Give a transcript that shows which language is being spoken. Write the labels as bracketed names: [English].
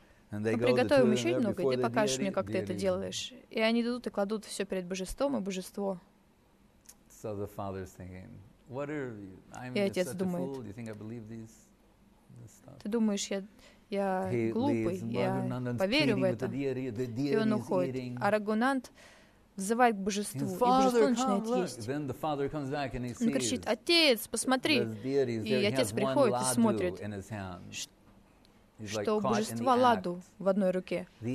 [Russian] Приготовим еще немного, и ты покажешь мне, как ты это делаешь. И они идут и кладут все перед божеством, и божество. [English] So the father's thinking, what are you? I'm just such a fool. Do you think I believe these? [Russian] Ты думаешь, я глупый, я поверю в это? И он уходит. А Рагунанд взывает к божеству, и божество начинает есть. Он кричит, отец, посмотри. И отец приходит и смотрит, что божество ладу в одной руке.